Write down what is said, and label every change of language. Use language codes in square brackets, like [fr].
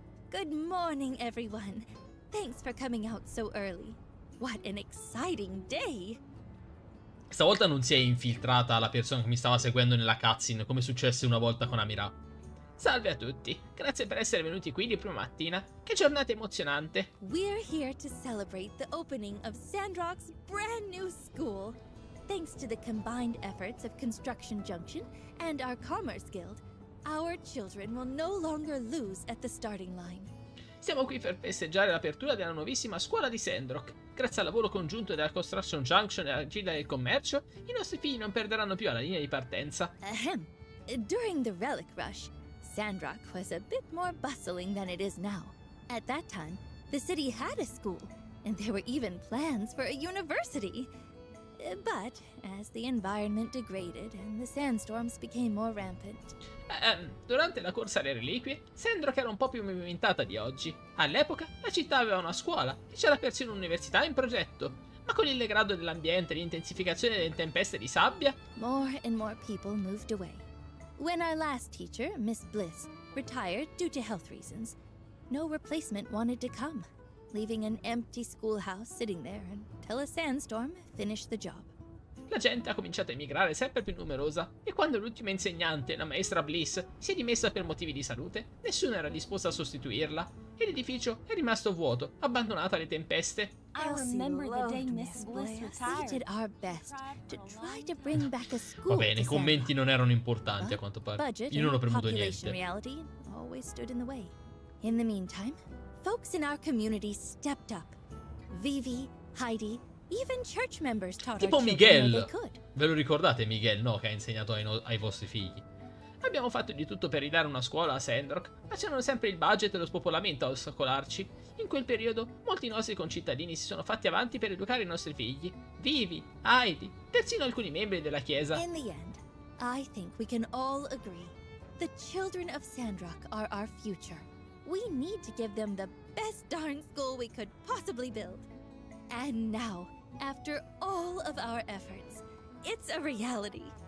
[en] Good morning, everyone. Thanks for coming out so early. What an exciting day! [it] Stavolta non si è infiltrata la persona che mi stava seguendo nella cutscene, come successe una volta con Amira. Salve a tutti. Grazie per essere venuti qui di prima mattina. Che giornata emozionante! [en] We're here to celebrate the opening of Sandrock's brand new school. Thanks to the combined efforts of Construction Junction and our Commerce Guild, our children will no longer lose at the starting line. [it] Siamo qui per festeggiare l'apertura della nuovissima scuola di Sandrock. Grazie al lavoro congiunto della Construction Junction e della Guilda del Commercio, i nostri figli non perderanno più alla linea di partenza. Ahem. [en] During the Relic Rush, Sandrock was a bit more bustling than it is now. At that time, the city had a school, and there were even plans for a university. But, as the environment degraded and the sandstorms became more rampant... [it] Durante la corsa alle reliquie, Sandrock era un po' più movimentata di oggi. All'epoca, la città aveva una scuola e c'era persino un'università in progetto. Ma con il degrado dell'ambiente e l'intensificazione delle tempeste di sabbia... [en] More and more people moved away. When our last teacher, Miss Bliss, retired due to health reasons, no replacement wanted to come. Leaving an empty schoolhouse sitting there until a sandstorm finished the job. [it] La gente ha cominciato a emigrare sempre più numerosa e quando l'ultima insegnante, la maestra Bliss, si è dimessa per motivi di salute, nessuno era disposto a sostituirla e l'edificio è rimasto vuoto, abbandonato alle tempeste. [en] I remember the day Miss Bliss retired. We did our best to try to bring back a school. [it] Va bene, i commenti non erano importanti a quanto pare. Io non ho premuto niente. [en] Reality always stood in the way. In the meantime, folks in our community stepped up. Vivi, Heidi, even church members taught [it] tipo Miguel. Ve lo ricordate Miguel, no, che ha insegnato ai vostri figli? Abbiamo fatto di tutto per ridare una scuola a Sandrock, ma c'erano sempre il budget e lo spopolamento a ostacolarci. In quel periodo, molti nostri concittadini si sono fatti avanti per educare i nostri figli. Vivi, Heidi, persino alcuni membri della chiesa. [en] In the end, I think we can all agree. The children of Sandrock are our future. We need to give them the best darn school we could possibly build. And now, after all of our efforts, it's a reality.